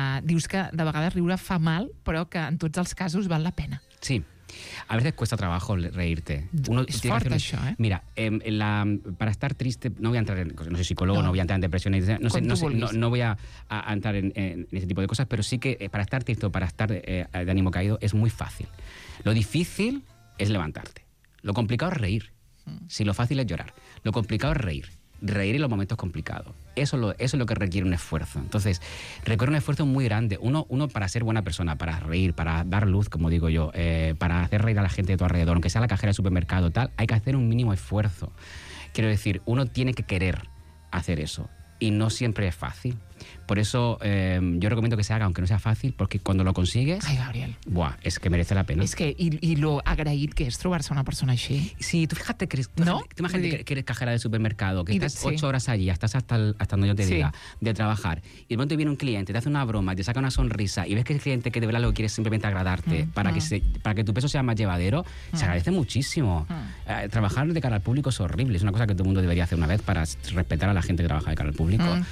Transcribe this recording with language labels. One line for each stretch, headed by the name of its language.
Catalan: Dius que de vegades riure fa mal, però que en tots els casos val la pena. Sí.
Spanish: A veces cuesta trabajo reírte. Uno es fuerte, hacer... eso, ¿eh? Mira, para estar triste, no voy a entrar en, no soy psicólogo, no, no voy a entrar en depresión, no voy a entrar en ese tipo de cosas, pero sí que para estar triste o para estar de ánimo caído es muy fácil. Lo difícil es levantarte. Lo complicado es reír. Si lo fácil es llorar, lo complicado es reír. Reír en los momentos complicados. Eso es lo que requiere un esfuerzo. Entonces, requiere un esfuerzo muy grande. Uno para ser buena persona, para reír, para dar luz, como digo yo, para hacer reír a la gente de tu alrededor, aunque sea la cajera del supermercado, tal, hay que hacer un mínimo esfuerzo. Quiero decir, uno tiene que querer hacer eso. Y no siempre es fácil. Por eso yo recomiendo que se haga, aunque no sea fácil, porque cuando lo consigues... Ay, Gabriel. Buah, es que merece la pena.
Catalan: Es que, y lo agraït que es trobar-se una persona així.
Spanish: Sí, tú fíjate que eres... ¿No? Tú imagínate que eres cajera del supermercado, que estás 8 horas allí, estás hasta donde yo te diga, de trabajar, y de pronto viene un cliente, te hace una broma, te saca una sonrisa, y ves que el cliente que de verdad lo quiere es simplemente agradarte, para que tu peso sea más llevadero, se agradece muchísimo. Trabajar de cara al público es horrible, es una cosa que todo el mundo debería hacer una vez para respetar a la gente que trabaja de cara al público.